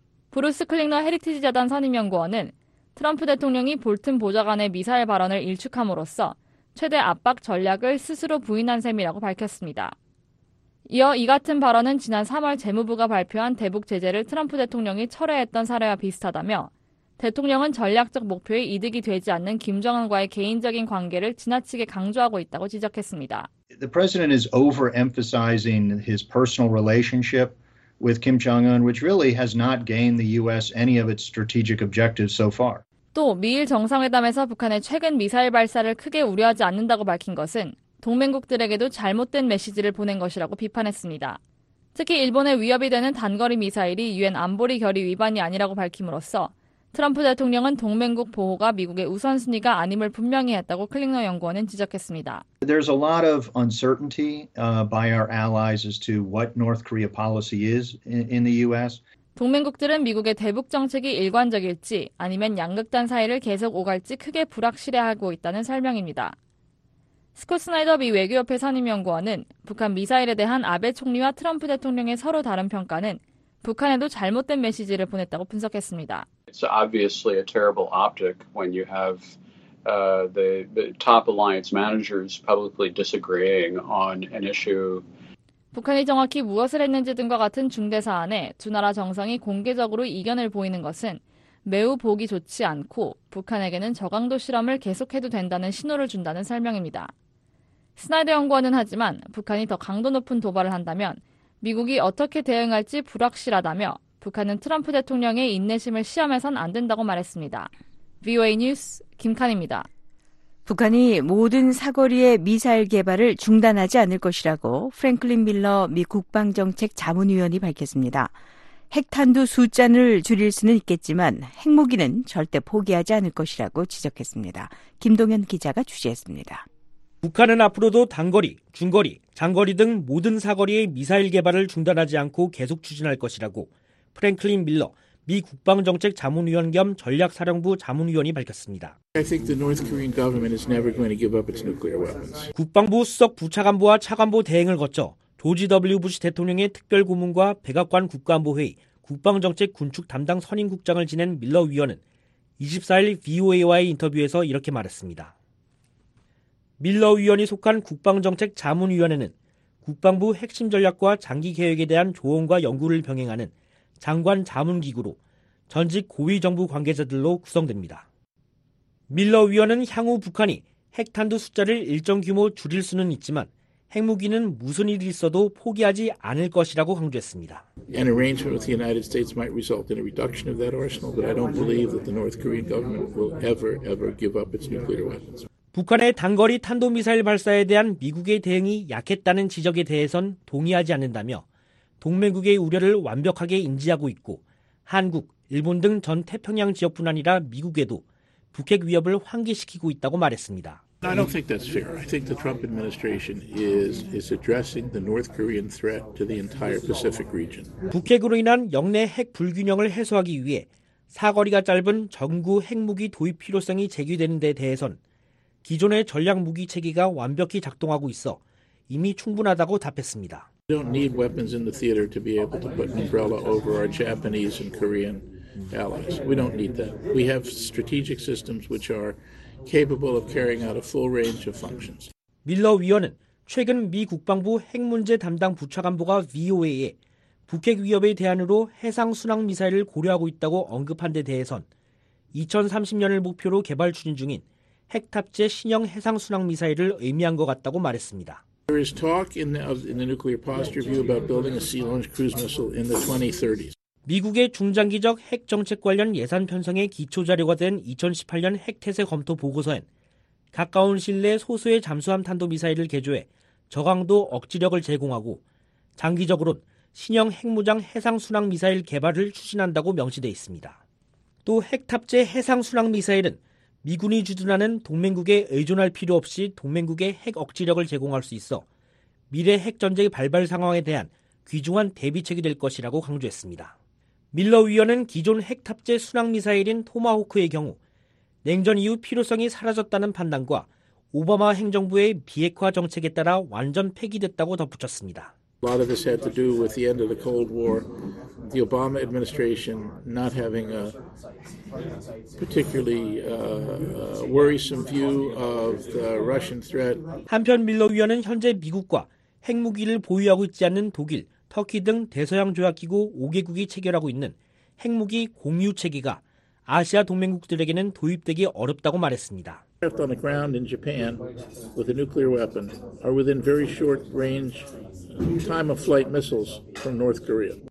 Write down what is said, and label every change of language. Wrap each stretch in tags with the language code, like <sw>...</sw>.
<ko>브루스 클링너 헤리티지 재단 선임연구원은 트럼프 대통령이 볼튼 보좌관의 미사일 발언을 일축함으로써 최대 압박 전략을 스스로 부인한 셈이라고 밝혔습니다. 이어 이 같은 발언은 지난 3월 재무부가 발표한 대북 제재를 트럼프 대통령이 철회했던 사례와 비슷하다며 대통령은 전략적 목표에 이득이 되지 않는 김정은과의 개인적인 관계를 지나치게 강조하고 있다고 지적했습니다.</ko> <en>The president is overemphasizing his personal relationship with Kim Jong-un, which really has not gained the U.S. any of its strategic objectives so far.</en> <ko>또 미일 정상회담에서 북한의 최근 미사일 발사를 크게 우려하지 않는다고 밝힌 것은 동맹국들에게도 잘못된 메시지를 보낸 것이라고 비판했습니다. 특히 일본의 위협이 되는 단거리 미사일이 유엔 안보리 결의 위반이 아니라고 밝힘으로써 트럼프 대통령은 동맹국 보호가 미국의 우선순위가 아님을 분명히 했다고 클링너 연구원은 지적했습니다.</ko> <en>There's a lot of uncertainty by our allies as to what North Korea policy is in the U.S.</en> <ko>동맹국들은 미국의 대북 정책이 일관적일지 아니면 양극단 사이를 계속 오갈지 크게 불확실해하고 있다는 설명입니다. 스콧 스나이더 미 외교협회 선임연구원은 북한 미사일에 대한 아베 총리와 트럼프 대통령의 서로 다른 평가는 북한에도 잘못된 메시지를 보냈다고 분석했습니다.</ko> <en>It's obviously a terrible optic when you have the top alliance managers publicly disagreeing on an issue.</en> <ko>북한이 정확히 무엇을 했는지 등과 같은 중대 사안에 두 나라 정상이 공개적으로 이견을 보이는 것은 매우 보기 좋지 않고 북한에게는 저강도 실험을 계속해도 된다는 신호를 준다는 설명입니다. 스나이더 연구원은 하지만 북한이 더 강도 높은 도발을 한다면 미국이 어떻게 대응할지 불확실하다며 북한은 트럼프 대통령의 인내심을 시험해선 안 된다고 말했습니다. VOA 뉴스 김칸입니다. 북한이 모든 사거리의 미사일 개발을 중단하지 않을 것이라고 프랭클린 밀러 미 국방정책 자문위원이 밝혔습니다. 핵탄두 숫자를 줄일 수는 있겠지만 핵무기는 절대 포기하지 않을 것이라고 지적했습니다. 김동현 기자가 취재했습니다. 북한은 앞으로도 단거리, 중거리, 장거리 등 모든 사거리의 미사일 개발을 중단하지 않고 계속 추진할 것이라고 프랭클린 밀러 미 국방정책 자문위원 겸 전략사령부 자문위원이 밝혔습니다.</ko> <en>I think the North Korean government is never going to give up its nuclear weapons.</en> <ko>국방부 수석 부차관보와 차관보 대행을 거쳐 조지 W. 부시 대통령의 특별고문과 백악관 국가안보회의 국방정책 군축 담당 선임국장을 지낸 밀러 위원은 24일 VOA와의 인터뷰에서 이렇게 말했습니다. 밀러 위원이 속한 국방정책 자문위원회는 국방부 핵심 전략과 장기 계획에 대한 조언과 연구를 병행하는 장관 자문기구로 전직 고위 정부 관계자들로 구성됩니다. 밀러 위원은 향후 북한이 핵탄두 숫자를 일정 규모 줄일 수는 있지만 핵무기는 무슨 일이 있어도 포기하지 않을 것이라고 강조했습니다.</ko> <en>An arrangement with the United States might result in a reduction of that arsenal, but I don't believe that the North Korean government will ever give up its nuclear weapons.</en> <ko>북한의 단거리 탄도미사일 발사에 대한 미국의 대응이 약했다는 지적에 대해선 동의하지 않는다며 동맹국의 우려를 완벽하게 인지하고 있고 한국, 일본 등 전 태평양 지역뿐 아니라 미국에도 북핵 위협을 환기시키고 있다고 말했습니다.</ko> <en>I don't think that's fair. I think the Trump administration is addressing the North Korean threat to the entire Pacific region.</en> <ko>북핵으로 인한 영내 핵 불균형을 해소하기 위해 사거리가 짧은 전구 핵무기 도입 필요성이 제기되는 데 대해선 기존의 전략 무기 체계가 완벽히 작동하고 있어 이미 충분하다고 답했습니다.</ko> <en>We don't need weapons in the theater to be able to put an umbrella over our Japanese and Korean allies. We don't need that. We have strategic systems which are capable of carrying out a full range of functions.</en> <ko>밀러 위원은 최근 미 국방부 핵 문제 담당 부차관보가 VOA에 북핵 위협의 대안으로 해상 순항 미사일을 고려하고 있다고 언급한 데 대해선 2030년을 목표로 개발 추진 중인 핵 탑재 신형 해상 순항 미사일을 의미한 것 같다고 말했습니다.</ko> <en>There is talk in the nuclear posture view about building a sea-launched cruise missile in the 2030s.</en> <ko>미국의 중장기적 핵 정책 관련 예산 편성의 기초 자료가 된 2018년 핵 태세 검토 보고서엔 가까운 시일 내 소수의 잠수함 탄도 미사일을 개조해 저강도 억지력을 제공하고 장기적으로는 신형 핵무장 해상 순항 미사일 개발을 추진한다고 명시돼 있습니다. 또 핵 탑재 해상 순항 미사일은 미군이 주둔하는 동맹국에 의존할 필요 없이 동맹국의 핵 억지력을 제공할 수 있어 미래 핵전쟁 발발 상황에 대한 귀중한 대비책이 될 것이라고 강조했습니다. 밀러 위원은 기존 핵 탑재 순항미사일인 토마호크의 경우 냉전 이후 필요성이 사라졌다는 판단과 오바마 행정부의 비핵화 정책에 따라 완전 폐기됐다고 덧붙였습니다.</ko> <en>A lot of this had to do with the end of the Cold War, the Obama administration not having a particularly worrisome view of the Russian threat.</en> <ko>한편 밀러 위원은 현재 미국과 핵무기를 보유하고 있지 않는 독일, 터키 등 대서양 조약기구 5개국이 체결하고 있는 핵무기 공유 체계가 아시아 동맹국들에게는 도입되기 어렵다고 말했습니다.</ko> <en>Left on the ground in Japan with a nuclear weapon are within very short range time of flight missiles from North Korea.</en>